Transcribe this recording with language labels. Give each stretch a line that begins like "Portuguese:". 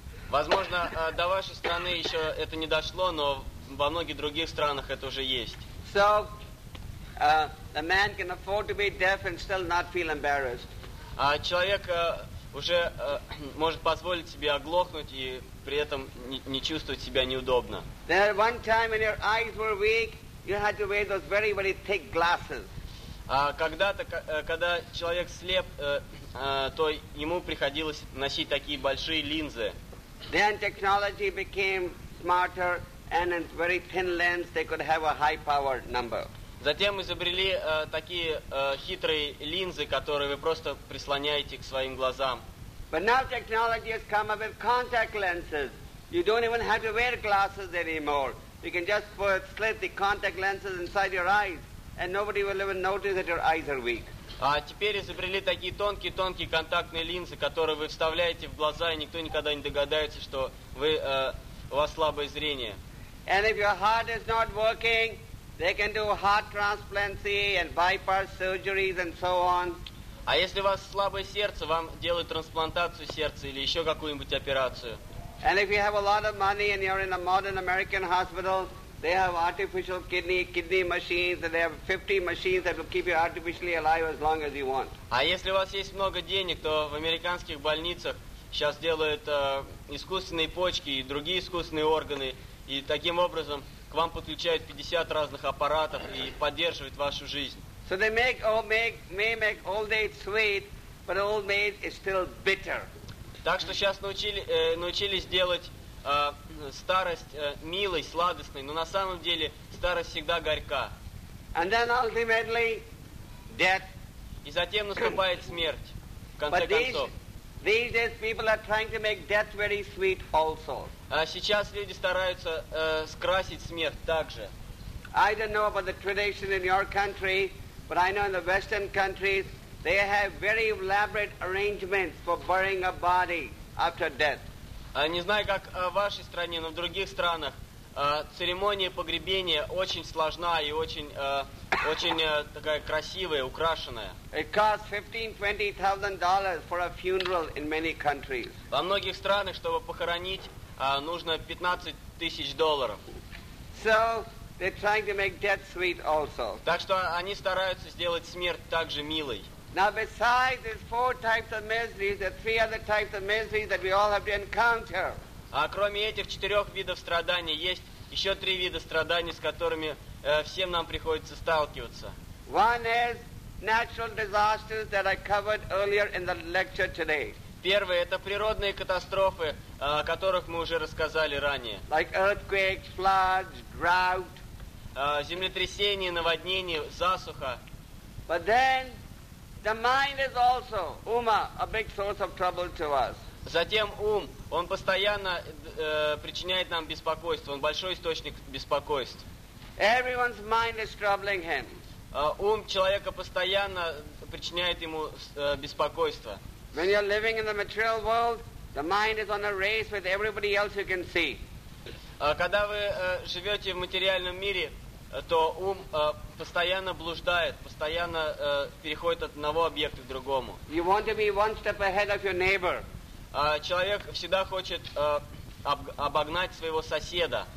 Russian: Возможно, до вашей страны еще это не дошло, но во многих других странах это уже есть.
English: So, a man can afford to be deaf and still not feel embarrassed.
Russian: А человек уже может позволить себе оглохнуть и при этом не чувствовать себя неудобно.
English: Then at one time when your eyes were weak, you had to wear those very, very thick glasses.
Russian: А когда-то, когда человек слеп, то ему приходилось носить такие большие линзы.
English: Then technology became smarter, and in very thin lens they could have a high power number.
Russian: Затем изобрели такие хитрые линзы, которые вы просто прислоняете к своим глазам.
English: But now technology has come up with contact lenses. You don't even have to wear glasses anymore. You can just slip the contact lenses inside your eyes, and nobody will even notice that your eyes are weak.
Russian: А теперь изобрели такие тонкие контактные линзы, которые вы вставляете в глаза, и никто никогда не догадается, что у вас слабое зрение.
English: And if your heart is not working, they can do heart transplancy and bypass surgeries and so on.
Russian: А если у вас слабое сердце, вам делают трансплантацию сердца или еще какую-нибудь операцию.
English: And if you have a lot of money and you're in a modern American hospital, they have artificial kidney machines, and they have 50 machines that will keep you artificially alive as long as you want.
Russian: А если у вас есть много денег, то в американских больницах сейчас делают искусственные почки и другие искусственные органы, и таким образом к вам подключают 50 разных аппаратов и поддерживают вашу жизнь.
English: So they may make old age sweet, but old age is still bitter.
Russian: Так что сейчас научились делать старость милой, сладостной, но на самом деле старость всегда горька.
English: And then ultimately death.
Russian: И затем наступает смерть, в конце концов.
English: These days people are trying to make death very sweet also.
Russian: Сейчас люди стараются скрасить смерть также.
English: I don't know about the tradition in your country, but I know in the Western countries they have very elaborate arrangements for burying a body after death.
Russian: Не знаю, как в вашей стране, но в других странах церемония погребения очень сложна и очень такая красивая, украшенная.
English: It costs $15,000-$20,000 for a funeral in many countries.
Russian: Во многих странах, чтобы похоронить, нужно $15,000.
English: So they're trying to make death sweet also.
Russian: Так что они стараются сделать смерть также милой.
English: Now besides these four types of miseries, there are three other types of miseries that we all have to encounter.
Russian: А кроме этих четырех видов страданий, есть еще три вида страданий, с которыми всем нам приходится сталкиваться.
English: One is natural disasters that I covered earlier in the lecture today.
Russian: Первое — это природные катастрофы, о которых мы уже рассказали ранее.
English: Like earthquakes, floods, drought.
Russian: Землетрясения, наводнения, засуха.
English: But then the mind is also,
Russian: ума,
English: a big source of trouble to us.
Russian: Затем ум, он постоянно причиняет нам беспокойство, он большой источник беспокойств.
English: Everyone's mind is troubling him.
Russian: Ум человека постоянно причиняет ему беспокойство.
English: When you're living in the material world, the mind is on a race with everybody else you can see.
Russian: Когда вы живете в материальном мире, то ум постоянно блуждает, постоянно переходит от одного объекта к другому.
English: You want to be one step ahead of your neighbor.
Russian: Человек всегда хочет обогнать своего соседа.